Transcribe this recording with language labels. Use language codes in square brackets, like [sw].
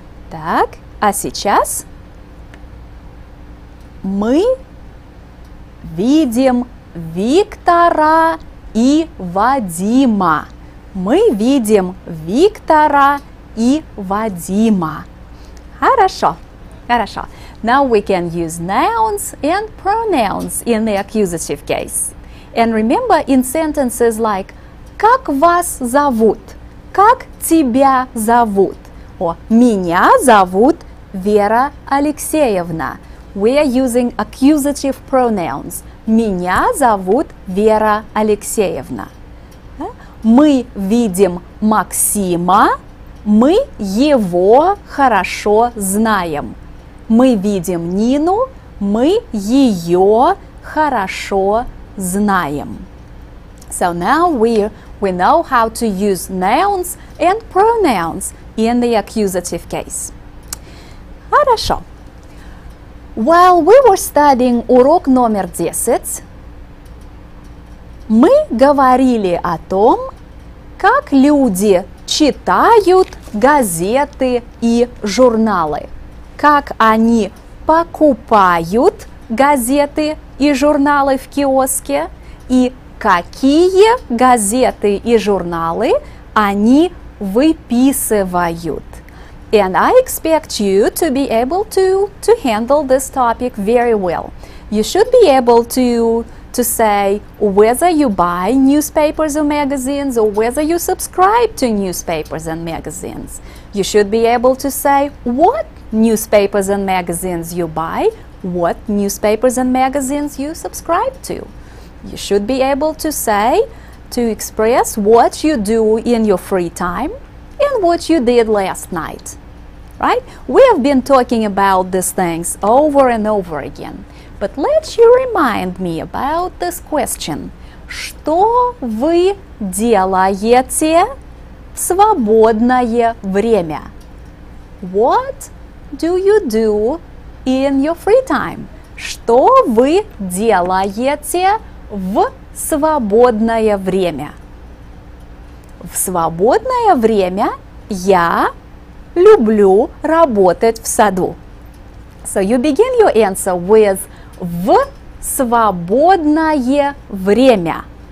[ru] Так, а сейчас мы видим Виктора и Вадима. Мы видим Виктора и Вадима. Хорошо, хорошо. [en] Now we can use nouns and pronouns in the accusative case. And remember in sentences like [ru] «Как вас зовут?» «Как тебя зовут?» Or «Меня зовут Вера Алексеевна». [en] We are using accusative pronouns. [ru] Меня зовут Вера Алексеевна. Мы видим Максима. Мы его хорошо знаем. Мы видим Нину. Мы ее хорошо знаем. [en] So now we know how to use nouns and pronouns in the accusative case. [ru] Хорошо. [en] While we were studying [ru] урок номер 10, мы говорили о том, как люди читают газеты и журналы, как они покупают газеты и журналы в киоске и какие газеты и журналы они выписывают. [en] And I expect you to be able to handle this topic very well. You should be able to say whether you buy newspapers or magazines or whether you subscribe to newspapers and magazines. You should be able to say what newspapers and magazines you buy, what newspapers and magazines you subscribe to. You should be able to say, to express what you do in your free time and what you did last night. Right? We have been talking about these things over and over again. But let you remind me about this question. [ru] Что вы делаете в свободное время? [en] What do you do in your free time? [ru] Что вы делаете в свободное время? В свободное время я люблю работать в саду. [en] So you begin your answer with [ru] в свободное время.